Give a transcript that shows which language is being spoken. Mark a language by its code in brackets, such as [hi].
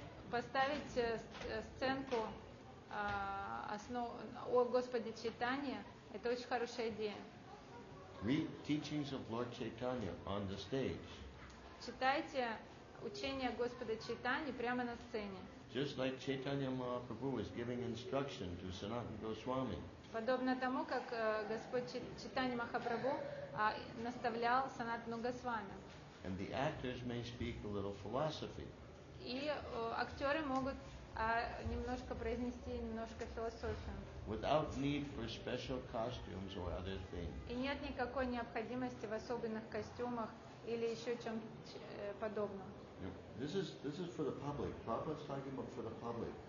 [ru] Поставить сценку о Господе Чайтанье – это очень хорошая идея. [en] Read teachings of Lord Chaitanya on the stage. [ru] Читайте учения Господа Чайтаньи прямо на сцене. [en] Just like Chaitanya Mahaprabhu is giving instruction to Sanatana Goswami. [ru] Подобно тому, как Господь Чайтанья Махапрабху наставлял Санатану Госвами. [en] And the actors may speak a little philosophy. [ru] И актеры могут немножко произнести немножко философию. [en] Without need for special costumes or other things. [ru] И нет никакой необходимости в особенных костюмах или еще чем-то подобном. [en] This is for the public. Prabhupada's talking about for the public.